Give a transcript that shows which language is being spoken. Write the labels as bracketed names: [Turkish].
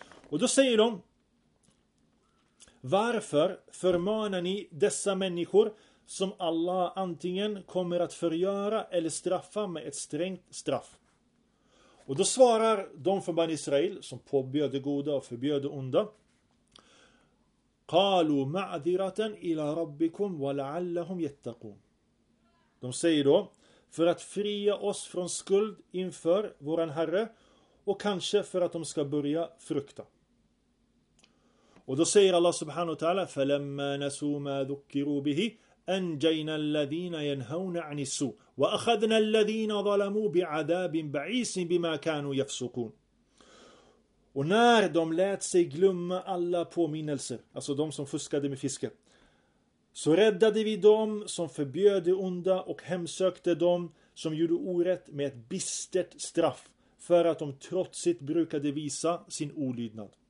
[Swedish] Och då säger de, varför förmanar ni dessa människor som Allah antingen kommer att förgöra eller straffa med ett strängt straff? Och då svarar de från Bani Israel som påbjöd det goda och förbjöd det onda. [Arabic] قالوا معذرة الى ربكم ولعلهم يتقون. [Swedish] De säger då, för att fria oss från skuld inför våran herre och kanske för att de ska börja frukta. Och då säger [Arabic] Allah subhanahu wa ta'ala, فلما نسوا ما ذكروا به انجينا الذين ينهون عن السوء واخذنا الذين ظلموا بعذاب بعيس بما كانوا يفسقون. [Swedish] Och när de lät sig glömma alla påminnelser, alltså de som fuskade med fiske, så räddade vi dem som förbjöd det onda och hemsökte dem som gjorde orätt med ett bistert straff för att de trotsigt brukade visa sin olydnad.